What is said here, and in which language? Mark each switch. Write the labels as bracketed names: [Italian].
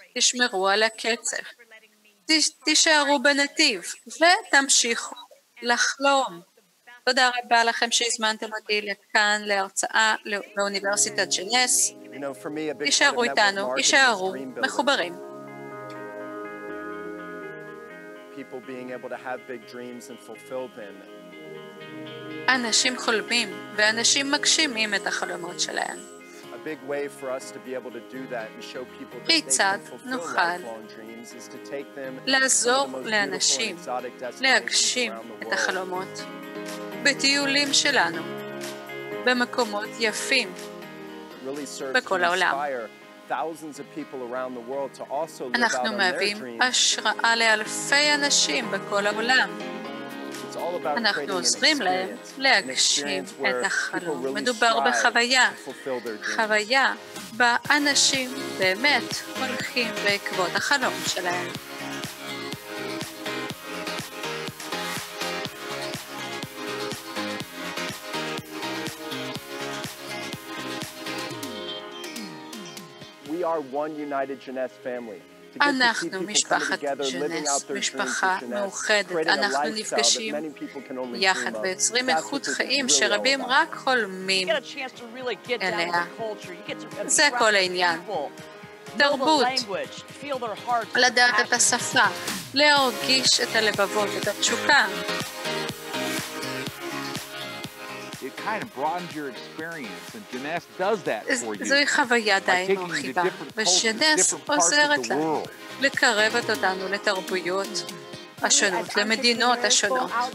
[Hebrew] תשמרו על הקצב. תישארו בנתיב ותמשיכו לחלום. תודה רבה לכם שהזמנתם אותי לכאן להרצאה לאוניברסיטת ג'נס. תישארו איתנו, תישארו מחוברים. [English] People being able to have big dreams and fulfill them. [Hebrew] אנשים חולמים ואנשים מגשימים את החלומות שלהם. [English] A big way for us to be able to do that and show people that they can fulfill their dreams is to take them [Hebrew] לעזור לאנשים להגשים את החלומות. בטיולים שלנו במקומות יפים בכל העולם. [English] Thousands of people around the world to also live [Hebrew] אנחנו [English] out [Hebrew] מהווים [English] their dreams. [Hebrew] השראה לאלפי אנשים בכל העולם. אנחנו עוזרים להם להגשים את החלום. [English] Really [Hebrew] מדובר בחוויה, חוויה בה אנשים באמת הולכים בעקבות החלום שלהם. [English] We are one united Jeunesse family. [Hebrew] אנחנו משפחת ג'נס, משפחה מאוחדת. אנחנו נפגשים יחד ויוצרים איכות חיים שרבים רק חולמים אליה. זה כל העניין. תרבות, לדעת את השפה, להרגיש את הלבבות, את התשוקה. [English] It kind of broadens your experience and Jeunesse does that for you. [Hebrew] זוהי חוויה די מרחיבה, ושג'נס עוזרת לה לקרב אותנו לתרבויות השונות, למדינות השונות.